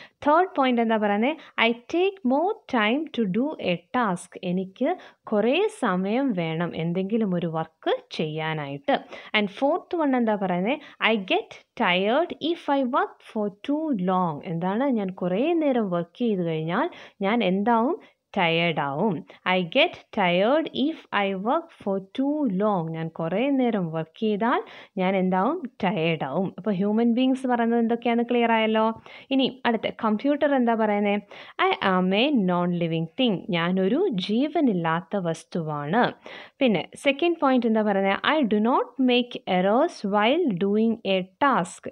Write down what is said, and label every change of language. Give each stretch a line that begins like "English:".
English: third point
Malayalam: എന്താ പറയുന്നത്?
English: I take more time to do a task.
Malayalam: എനിക്ക് കുറേ സമയം വേണം എന്തെങ്കിലും ഒരു വർക്ക് ചെയ്യാനായിട്ട്.
English: and fourth one
Malayalam: എന്താ പറയുന്നത്?
English: I get tired if I work for too long.
Malayalam: എന്താണ്? ഞാൻ കുറേ നേരം വർക്ക് ചെയ്ത് കഴിഞ്ഞാൽ ഞാൻ എന്താവും? tired ആവും.
English: I get tired if I work for too long.
Malayalam: ഞാൻ കുറേ നേരം വർക്ക് ചെയ്താൽ ഞാൻ എന്താവും? ടയേർഡ് ആവും. അപ്പോൾ ഹ്യൂമൻ ബീങ്സ് പറയുന്നത് എന്തൊക്കെയാണെന്ന് ക്ലിയർ ആയല്ലോ. ഇനി അടുത്ത കമ്പ്യൂട്ടർ എന്താ പറയുന്നത്?
English: I am a non living thing.
Malayalam: ഞാനൊരു ജീവനില്ലാത്ത വസ്തുവാണ്. പിന്നെ
English: second point
Malayalam: എന്താ പറയുന്നത്?
English: I do not make errors while doing a task.